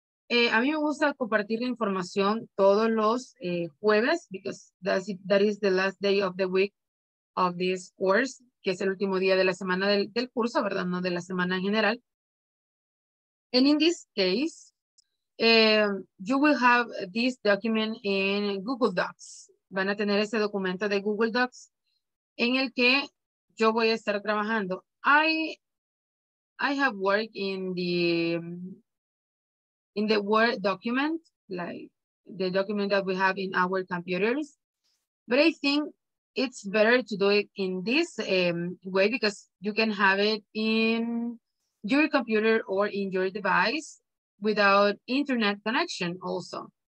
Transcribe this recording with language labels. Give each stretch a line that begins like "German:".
Spanish: A mí me gusta compartir la información todos los jueves,
English: because that is the last day of the week of this course,
Spanish: que es el último día de la semana del curso, ¿verdad? No de la semana en general.
English: And in this case, you will have this document in Google Docs.
Spanish: Van a tener ese documento de Google Docs en el que yo voy a estar trabajando.
English: I have worked in the Word document, like the document that we have in our computers. But I think it's better to do it in this way, because you can have it in your computer or in your device without internet connection also.